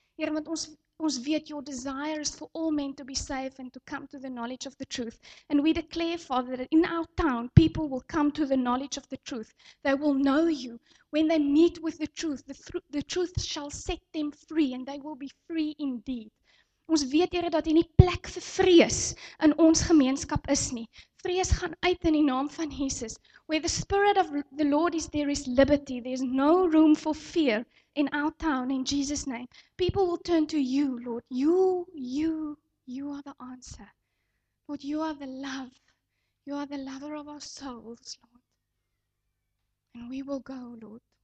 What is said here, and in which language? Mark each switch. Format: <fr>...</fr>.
<af>Here, want ons weet</af> <en>Your desire is for all men to be saved and to come to the knowledge of the truth. And we declare, Father, that in our town, people will come to the knowledge of the truth. They will know You. When they meet with the truth, the truth shall set them free and they will be free indeed.</en> <af>Ons weet, Here, dat hier nie plek vir vrees in ons gemeenskap is nie. Vrees gaan uit in die naam van Jesus.</af> <en>Where the Spirit of the Lord is, there is liberty. There is no room for fear in our town, in Jesus' name. People will turn to You, Lord. You are the answer. Lord, You are the love. You are the lover of our souls, Lord. And we will go, Lord.</en>